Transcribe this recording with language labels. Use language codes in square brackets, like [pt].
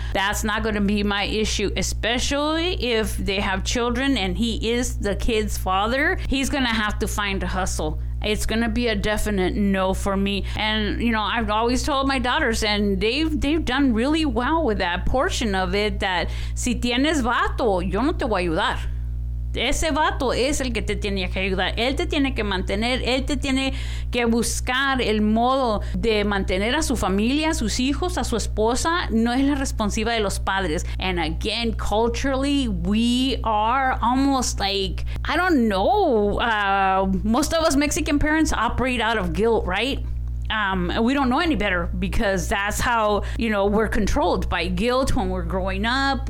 [en] That's not gonna be my issue, especially if they have children and he is the kid's father. He's gonna have to find a hustle. It's gonna be a definite no for me. And, you know, I've always told my daughters, and they've done really well with that portion of it, that [es] si tienes vato, yo no te voy a ayudar. Ese vato es el que te tiene que ayudar. Él te tiene que mantener. Él te tiene que buscar el modo de mantener a su familia, a sus hijos, a su esposa. No es la responsiva de los padres. [en] And again, culturally, we are almost like, I don't know. Most of us Mexican parents operate out of guilt, right? We don't know any better, because that's how, you know, we're controlled by guilt when we're growing up.